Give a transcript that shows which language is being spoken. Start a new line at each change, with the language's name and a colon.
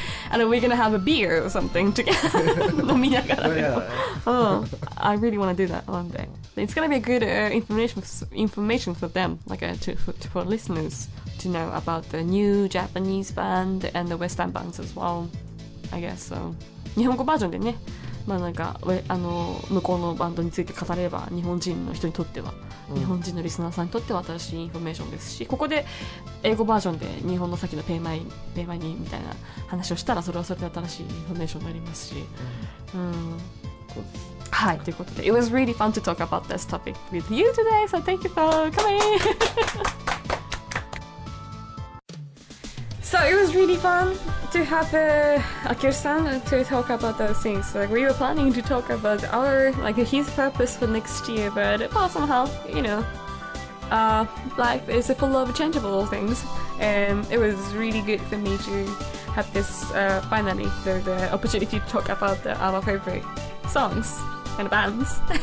English: And we're gonna have a beer or something together.
Japanese: 飲みながら。
English: I really want to do that one day. It's gonna be a good information for them, like for listeners to know about the new Japanese band and the Western bands as well. I guess so.
Japanese: 日本語バージョンでね、まあなんかあの向こうのバンドについて語れば日本人の人にとっては、うん、日本人のリスナーさんにとっては新しいインフォメーションですし、ここで英語バージョンで日本の先のペイマイニーみたいな話をしたらそれはそれで新しいインフォメーションになりますし、うん。そうです。はい、ということで、
English: It was really fun to talk about this topic with you today, so thank you for coming! So, it was really fun to have Akira-san to talk about those things. Like, we were planning to talk about our, like, his purpose for next year, but, well, somehow, you know, life is full of changeable things, and it was really good for me to have this, finally, the opportunity to talk about our favorite songs. And bands.